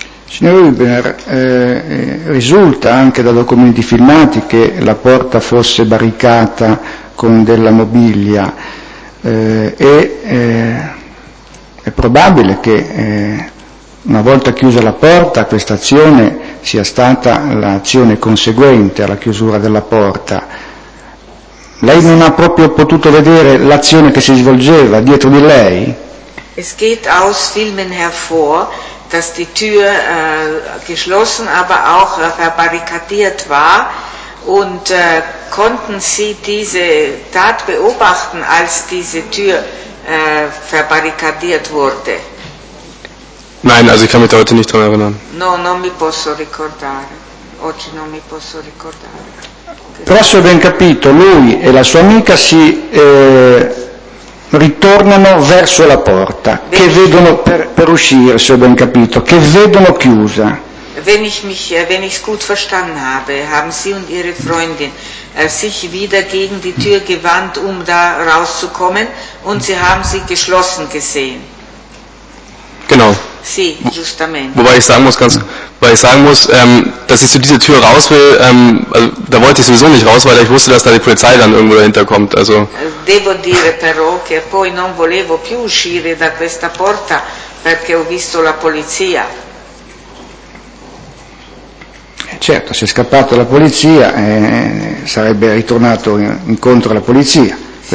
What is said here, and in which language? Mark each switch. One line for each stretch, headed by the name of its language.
Italian: Signor Huber, risulta anche da documenti filmati che la porta fosse barricata con della mobilia è probabile che una volta chiusa la porta questa azione sia stata l'azione conseguente alla chiusura della porta. Lei non ha proprio potuto vedere l'azione che si svolgeva dietro di lei?
German: Es geht aus Filmen hervor, dass die Tür geschlossen, aber auch verbarrikadiert war. Und konnten Sie diese Tat beobachten, als diese Tür verbarrikadiert wurde? Nein, also ich kann mich da heute nicht dran erinnern.
Italian: No, non mi posso ricordare. Oggi non mi posso ricordare. Però se ho ben capito, lui e la sua amica si ritornano verso la porta, che vedono per uscire, se ho ben capito, che vedono chiusa.
German: Wenn ich es gut verstanden habe, haben Sie und Ihre Freundin sich wieder gegen die Tür gewandt, um da rauszukommen, und Sie haben sie geschlossen gesehen. Genau.
Italian: Sì, giustamente.
German: Wobei ich sagen muss, dass ich zu dieser Tür raus will, also, da wollte ich sowieso nicht raus, weil ich wusste, dass da die Polizei dann irgendwo dahinter kommt. Also.
Italian: Devo dire però che poi non volevo più uscire da questa porta perché ho visto la polizia. Certo, se è scappato la polizia sarebbe ritornato incontro alla polizia, sì.